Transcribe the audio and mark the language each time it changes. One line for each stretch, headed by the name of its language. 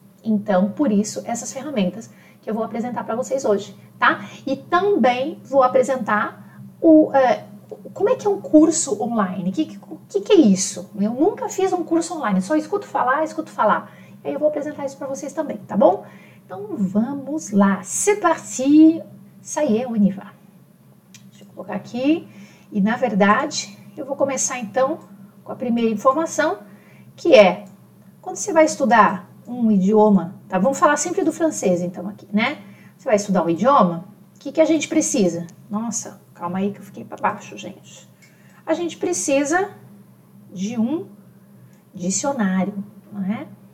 Portuguese: Então, por isso, essas ferramentas que eu vou apresentar para vocês hoje, tá? E também vou apresentar como é que é um curso online. O que é isso? Eu nunca fiz um curso online, só escuto falar. aí eu vou apresentar isso para vocês também, tá bom? Então vamos lá.
French: C'est parti, ça y est, on y va.
Portuguese: Deixa eu colocar aqui. E na verdade, eu vou começar então com a primeira informação, que é: quando você vai estudar um idioma, tá? Vamos falar sempre do francês então aqui, né? Você vai estudar um idioma, o que, que a gente precisa? Nossa, calma aí que eu fiquei para baixo, gente. A gente precisa de um dicionário, não é?